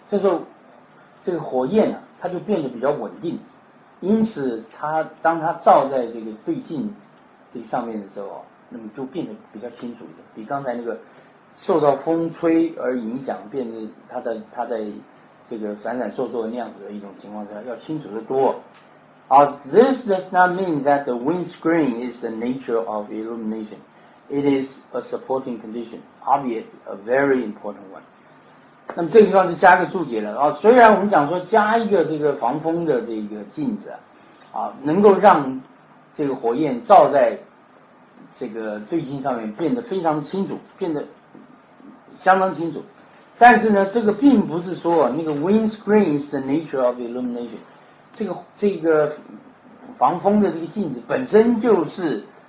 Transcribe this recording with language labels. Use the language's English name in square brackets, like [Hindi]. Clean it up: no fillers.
[Chinese] 这时候这个火焰啊，它就变得比较稳定，因此它当它照在这个对镜这上面的时候，那么就变得比较清楚一点，比刚才那个受到风吹而影响变得它在这个闪闪烁烁那样子的一种情况下要清楚得多。 [English] 好， This does not mean that the windscreen is the nature of illuminationIt is a supporting condition, albeit a very important one。 [Chinese] 那么这个地方是加个注解了、啊、虽然我们讲说加一个这个防风的这个镜子 啊能够让这个火焰照在这个对镜上面变得非常清楚，变得相当清楚，但是呢这个并不是说那个 [English] windscreen is the nature of illumination， [Chinese] 这个防风的这个镜子本身就是